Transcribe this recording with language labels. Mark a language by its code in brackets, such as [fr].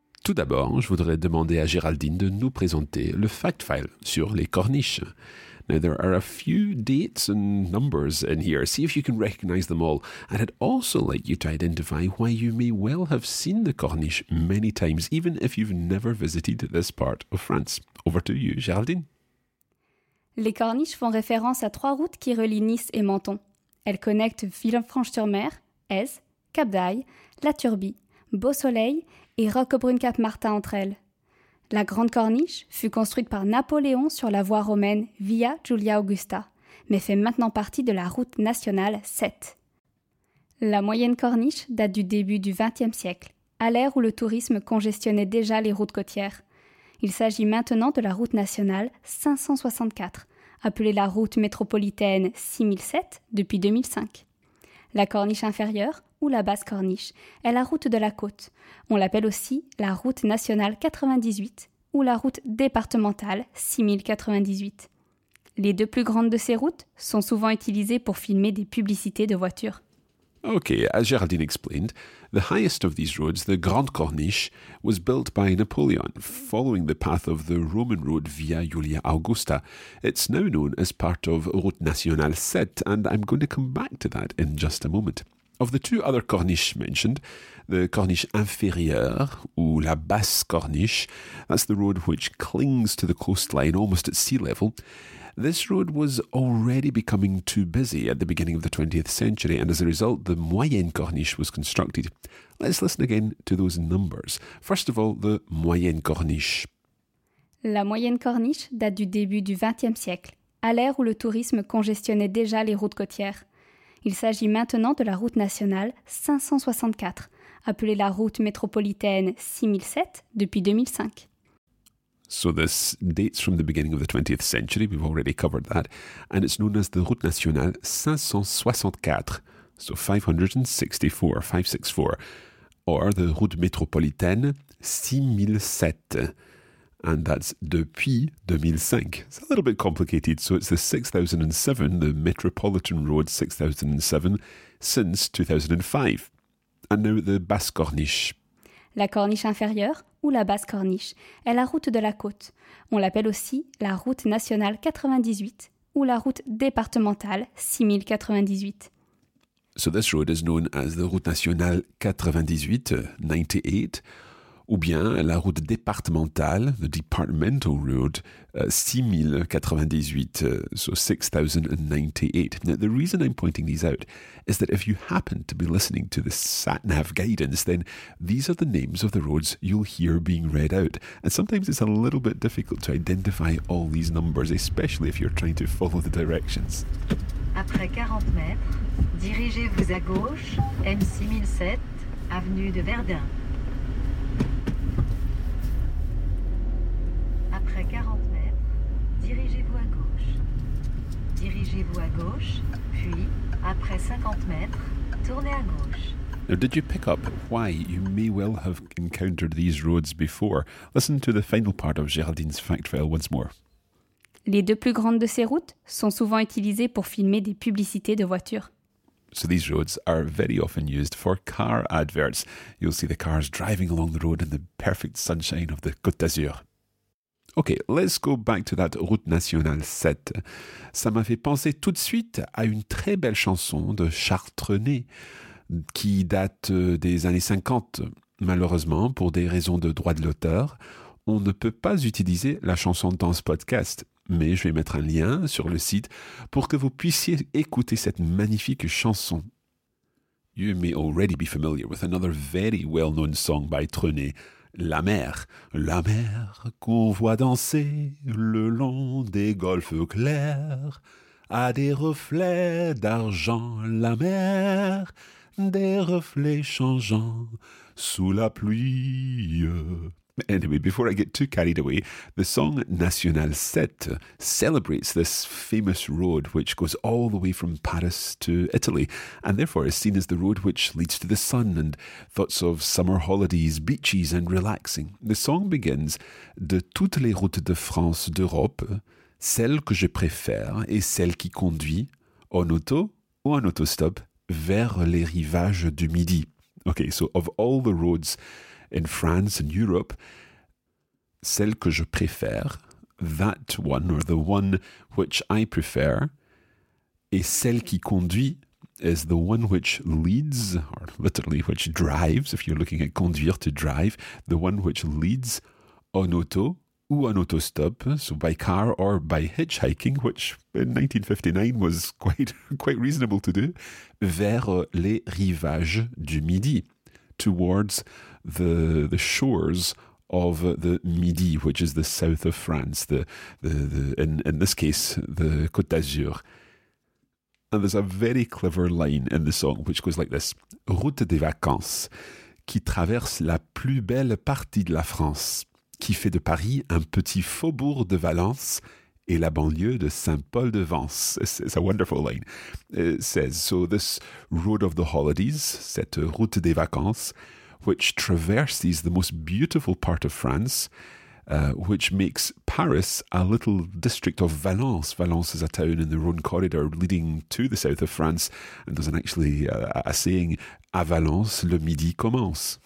[fr] Tout d'abord, je voudrais demander à Géraldine de nous présenter le fact file sur les corniches. [en] Now, there are a few dates and numbers in here. See if you can recognize them all. And I'd also like you to identify why you may well have seen the corniche many times, even if you've never visited this part of France. Over to you, Géraldine. [fr] Les corniches font référence à trois routes qui relient Nice et Menton. Elles connectent Villefranche-sur-Mer, Aise, Cap d'Ail, La Turbie, Beausoleil et Roquebrune-Cap-Martin entre elles. La Grande Corniche fut construite par Napoléon sur la voie romaine Via Giulia Augusta, mais fait maintenant partie de la route nationale 7. La moyenne corniche date du début du XXe siècle, à l'ère où le tourisme congestionnait déjà les routes côtières. Il s'agit maintenant de la route nationale 564, appelée la route métropolitaine 6007 depuis 2005. La corniche inférieure, ou la basse corniche, est la route de la côte. On l'appelle aussi la route nationale 98 ou la route départementale 6098. Les deux plus grandes de ces routes sont souvent utilisées pour filmer des publicités de voitures. [en] Ok, as Géraldine explained, the highest of these roads, the Grande Corniche, was built by Napoleon, following the path of the Roman road Via Julia Augusta. It's now known as part of Route Nationale 7, and I'm going to come back to that in just a moment. Of the two other corniches mentioned, the corniche inférieure, [fr] ou la basse corniche, [en] that's the road which clings to the coastline almost at sea level, this road was already becoming too busy at the beginning of the 20th century, and as a result, the moyenne corniche was constructed. Let's listen again to those numbers. First of all, the moyenne corniche. [fr] La moyenne corniche date du début du XXe siècle, à l'ère où le tourisme congestionnait déjà les routes côtières. Il s'agit maintenant de la route nationale 564, appelée la route métropolitaine 6007 depuis 2005. [en] So this dates from the beginning of the 20th century, we've already covered that, and it's known as the route nationale 564, so 564, 564, or the route métropolitaine 6007, and that's depuis 2005. It's a little bit complicated, so it's the 6007, the Metropolitan Road 6007, since 2005. And now the basse corniche. La corniche inférieure, ou la basse corniche, est la route de la côte. On l'appelle aussi la route nationale 98, ou la route départementale 6098. So this road is known as the route nationale 98, 98, [fr] ou bien [en] la route départementale, the departmental road, 6098, so 6098. Now, the reason I'm pointing these out is that if you happen to be listening to the sat-nav guidance, then these are the names of the roads you'll hear being read out. And sometimes it's a little bit difficult to identify all these numbers, especially if you're trying to follow the directions. [fr] Après 40 mètres, dirigez-vous à gauche, M6007, avenue de Verdun. Après 40 mètres, dirigez-vous à gauche. Dirigez-vous à gauche, puis, après 50 mètres, tournez à gauche. [en] Now, did you pick up why you may well have encountered these roads before? Listen to the final part of Géraldine's fact file once more. [fr] Les deux plus grandes de ces routes sont souvent utilisées pour filmer des publicités de voitures. [en] So these roads are very often used for car adverts. You'll see the cars driving along the road in the perfect sunshine of the Côte d'Azur. Okay, let's go back to that route nationale 7. [fr] Ça m'a fait penser tout de suite à une très belle chanson de Charles Trenet qui date des années 50. Malheureusement, pour des raisons de droit de l'auteur, on ne peut pas utiliser la chanson dans ce podcast. Mais je vais mettre un lien sur le site pour que vous puissiez écouter cette magnifique chanson. [en] You may already be familiar with another very well-known song by Trenet, [fr] La mer qu'on voit danser le long des golfes clairs, a des reflets d'argent, la mer, des reflets changeants sous la pluie. [en] Anyway, before I get too carried away, the song National 7 celebrates this famous road which goes all the way from Paris to Italy, and therefore is seen as the road which leads to the sun and thoughts of summer holidays, beaches and relaxing. The song begins, [fr] De toutes les routes de France d'Europe, celle que je préfère est celle qui conduit, en auto ou en autostop, vers les rivages du Midi. [en] Okay, so of all the roads in France and Europe, [fr] celle que je préfère, [en] that one, or the one which I prefer, [fr] et celle qui conduit, [en] is the one which leads, or literally which drives, if you're looking at conduire, to drive, the one which leads [fr] en auto ou en autostop, [en] so by car or by hitchhiking, which in 1959 was quite reasonable to do, [fr] vers les rivages du Midi. [en] Towards the shores of the Midi, which is the south of France, in this case, the Côte d'Azur. And there's a very clever line in the song, which goes like this. [fr] Route des vacances, qui traverse la plus belle partie de la France, qui fait de Paris un petit faubourg de Valence et la banlieue de Saint-Paul-de-Vence. [en] It's a wonderful line. It says, so this road of the holidays, [fr] cette route des vacances, [en] which traverses the most beautiful part of France, which makes Paris a little district of Valence. Valence is a town in the Rhone corridor leading to the south of France, and there's a saying, [fr] à Valence, le midi commence.